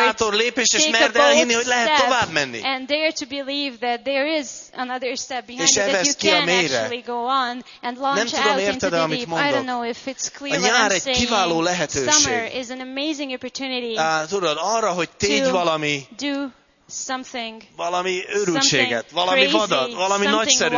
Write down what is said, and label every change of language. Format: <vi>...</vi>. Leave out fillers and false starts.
<hu>Egy bátor lépés, és merd elhinni, hogy lehet tovább menni.</hu> <en>And dare to believe that there is another step behind</en> <hu>és</hu> <en>it, that you can</en> <hu>mélyre.</hu> <en>Actually go on and launch</en> <hu>nem tudom,</hu> <en>out</en> <hu>érted,</hu> <en>into the deep. I don't know if it's clear what I'm saying.</en> <hu>A nyár egy kiváló lehetőség.</hu> <en>Summer is an amazing opportunity.</en> <hu>Tudod, arra, hogy tégy valami.</hu> <en>Something,</en> <hu>valami őrültséget, valami</hu> <en>crazy,</en> <hu>vadat, valami nagyszerűt</hu>